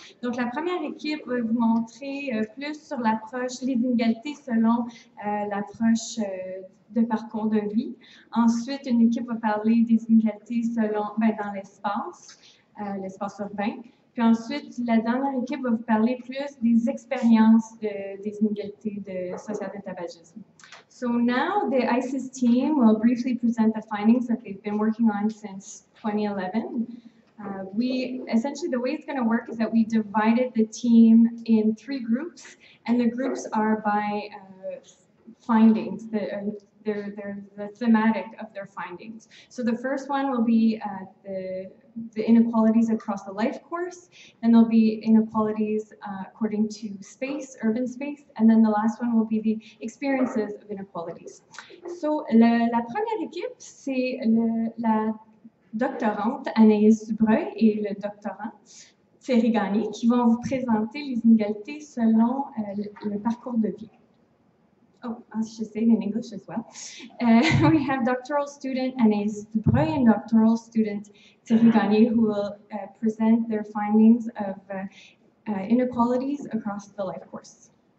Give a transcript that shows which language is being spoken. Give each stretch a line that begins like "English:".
French: Donc, la première équipe va vous montrer plus sur l'approche, les inégalités selon l'approche de parcours de vie. Ensuite, une équipe va parler des inégalités selon, dans l'espace urbain. Puis ensuite, la dernière équipe va vous parler plus des expériences de, des inégalités de sociales de tabagisme.
English: So now the ISIS team will briefly present the findings that they've been working on since 2011. We essentially, the way it's going to work is that we divided the team in three groups, and the groups are by findings, the thematic of their findings. So the first one will be the inequalities across the life course, then there'll be inequalities according to space, urban space, and then the last one will be the experiences of inequalities.
French: So la première équipe, c'est la doctorante Anaïs Dubreuil et le doctorant Thierry Gagné qui vont vous présenter les inégalités selon le parcours de vie.
English: Oh, I should say it in English as well. We have doctoral student Anaïs Dubreuil and doctoral student Thierry Gagné who will present their findings of inequalities across the life course.